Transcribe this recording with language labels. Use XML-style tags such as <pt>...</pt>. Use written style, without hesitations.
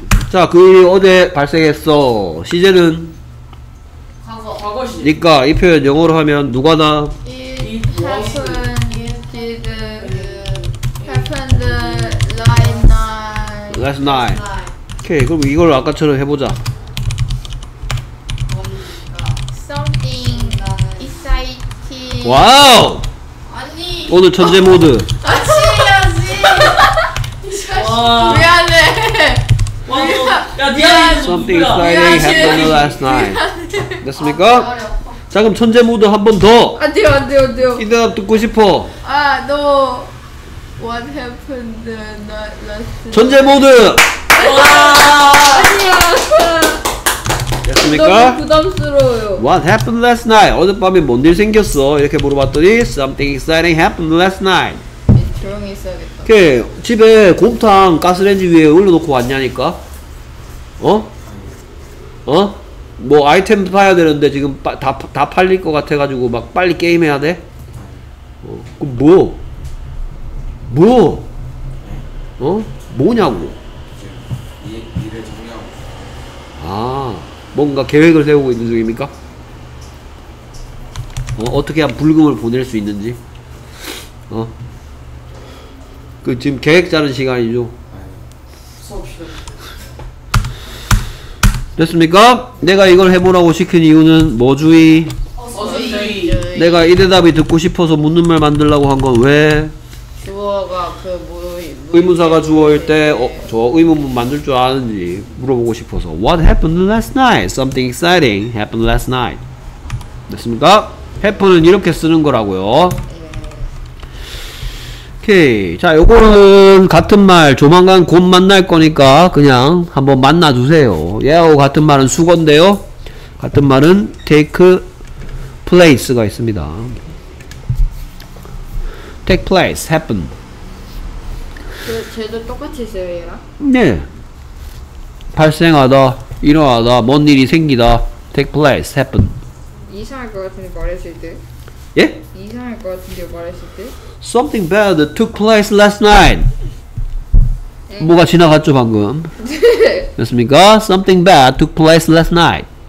<ko>자, 그 일이 어제 발생했어. 시제는? 과거 시. 그니까, 이 표현 영어로 하면 누가 나?</ko> <en>It happened, it did, happened last night. Last night.</en> <ko>Okay, 그럼 이걸 아까처럼 해보자.</ko> <en>Something exciting.</en> <ko>와우! 아니. 오늘 천재 모드. 아침이야지. 미안해. 야,</ko> <en>something exciting happened last night.</en> <ko>됐습니까? 자, 그럼 천재 모드 한 번 더. 안 돼요. 이 대답 듣고 싶어.</ko> <en>아, no. What happened last?</en> <ko>천재 모드. 와. 됐습니까? 너무 부담스러워요.</ko> <en>What happened last night?</en> <ko>어젯밤에 뭔 일 생겼어? 이렇게 물어봤더니</ko> <en>something exciting happened last night.</en> <ko>조용히 있어야겠다. 집에 곰탕 가스레인지 위에 올려놓고 왔냐니까? 어? 어? 뭐 아이템 파야 되는데 지금 다 팔릴 것 같아가지고 막 빨리 게임해야 돼? 그럼 뭐? 뭐? 어? 뭐냐고? 일을 정리하고 있어. 아, 뭔가 계획을 세우고 있는 중입니까? 어떻게 하면 불금을 보낼 수 있는지? 그 지금 계획 짜는 시간이죠? 됐습니까? 내가 이걸 해보라고 시킨 이유는 뭐주의? 어주의. 내가 이 대답이 듣고 싶어서 묻는 말 만들라고 한 건 왜? 주어가 그 의문사가 주어일 때 저 의문문 만들 줄 아는지 물어보고 싶어서.</ko> <en>What happened last night? Something exciting happened last night.</en> <ko>됐습니까? Happen은 이렇게 쓰는 거라고요. 오케이. 자, 요거는 같은 말 조만간 곧 만날 거니까 그냥 한번 만나 두세요. 얘하고 같은 말은 수건데요. 같은 말은 take place가 있습니다.</ko> <en>take place, happen.</en> <ko>쟤도 똑같이 있어요, 얘랑? 네. 발생하다, 일어나다, 뭔 일이 생기다, take place, happen. 이상할 것 같은데 말했을 때? 예? 이상할 것 같은데 말했을 때?</ko> <en>Something bad took place last night.</en> <ko>에이. 뭐가 지나갔죠, 방금? 됐습니까?</ko> <en>Something bad took place last night.</en>